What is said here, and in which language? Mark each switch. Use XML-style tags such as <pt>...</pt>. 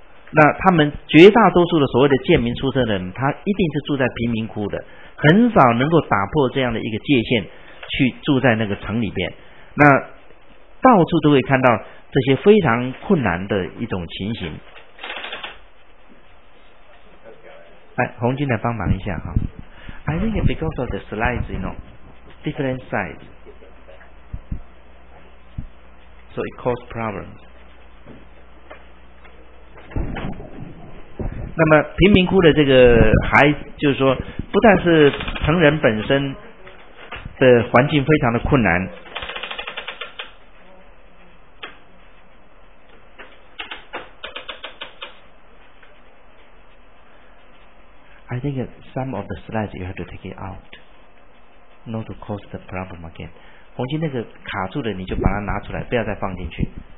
<zh>那他们绝大多数的所谓的贱民出身的人，他一定是住在贫民窟的，很少能够打破这样的一个界限去住在那个城里边。那到处都会看到这些非常困难的一种情形。哎，红军来帮忙一下哈。</zh> <en>I think because of the slides, you know, different size, so it causes problems.</en> <zh>那么贫民窟的这个还就是说，不但是成人本身的环境非常的困难，</zh> <en>I think some of the slides you have to take it out, not to cause the problem again.</en> <zh>红军那个卡住的你就把它拿出来，不要再放进去。</zh>